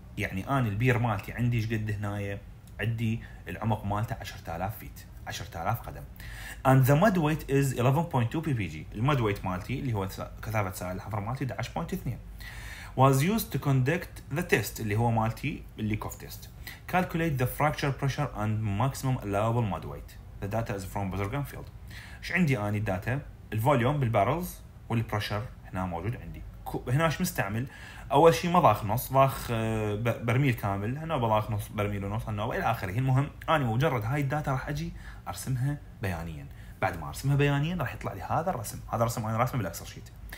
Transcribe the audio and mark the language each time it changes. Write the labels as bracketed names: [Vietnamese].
[Arabic] يعني انا البير مالتي عندي ايش قد هنايا، عندي العمق مالته 10,000 feet، 10,000 قدم. [English] And the mud weight is 11.2 ppg. [Arabic] المد ويت مالتي اللي هو كثافة سائل الحفر مالتي 11.2 [English] was used to conduct the test [Arabic] اللي هو مالتي الليك اوف تيست. [English] Calculate the fracture pressure and maximum allowable mud weight. The data is from Bezergan field. [Arabic] ايش عندي اني الداتا؟ الفوليوم بالبارلز والبرشر هنا موجود عندي. هنا ايش مستعمل؟ اول شيء مضاخ نص، ضاخ برميل كامل، هنا بضاخ نص برميل ونص، هنا والى اخره. المهم اني مجرد هاي الداتا راح اجي ارسمها بيانيا، بعد ما ارسمها بيانيا راح يطلع لي هذا الرسم، هذا الرسم انا راسمه بالاكسل شيت.